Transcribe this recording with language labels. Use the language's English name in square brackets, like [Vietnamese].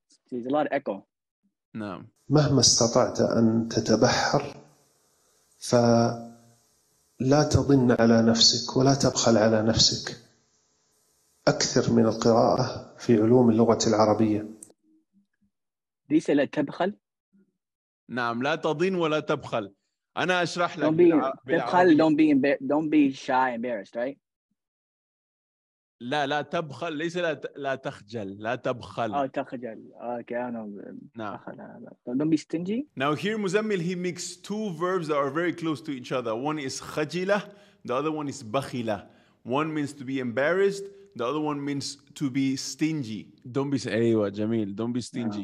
[English] There's a lot of echo. [Arabic] نعم. مهما استطعت أن تتبحر فلا تضن على نفسك ولا تبخل على نفسك أكثر من القراءة في علوم اللغة العربية. ليس لا تبخل. نعم لا تضن ولا تبخل. أنا أشرح لك. [English] Don't be shy, embarrassed, right? [Arabic] لا لا تبخل ليس لا تخجل لا تبخل. [English] Oh, تخجل. Okay, I know. No. Don't be stingy. Now here, Muzammil, he makes two verbs that are very close to each other. One is khajila, the other one is bakhila. One means to be embarrassed, the other one means to be stingy. Don't be stingy. Aywa, Jamil, don't be stingy.